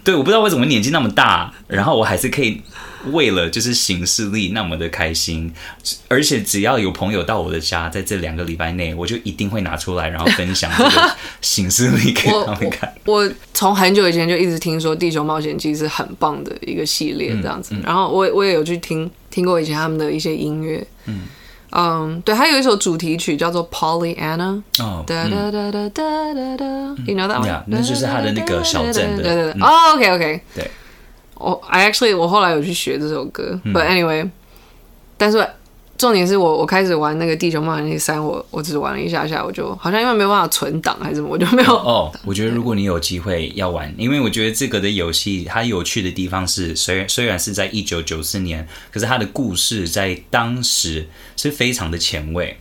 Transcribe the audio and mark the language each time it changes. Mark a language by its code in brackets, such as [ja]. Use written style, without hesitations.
[zh] 对，我不知道为什么年纪那么大，然后我还是可以为了就是行事历那么的开心，而且只要有朋友到我的家在这两个礼拜内我就一定会拿出来然后分享这个行事历给他们看。我从很久以前就一直听说地球冒险记是很棒的一个系列这样子、然后 我也有去听过以前他们的一些音乐，对，还有一首主题曲叫做 Pollyanna，哒 [en] 哒哒哒哒哒哒 ，You know that one？ [zh] Yeah， 那就是他的那个小镇的，对对对。哦 ，OK OK，对，我后来有去学这首歌、， [en] But anyway， [zh] 但是重点是我开始玩那个《地球冒险记三》，我只玩了一下下，我就好像因为没有办法存档还是什么，我就没有。哦，我觉得如果你有机会要玩，因为我觉得这个的游戏它有趣的地方是，虽然是在1994年，可是它的故事在当时是非常的前卫。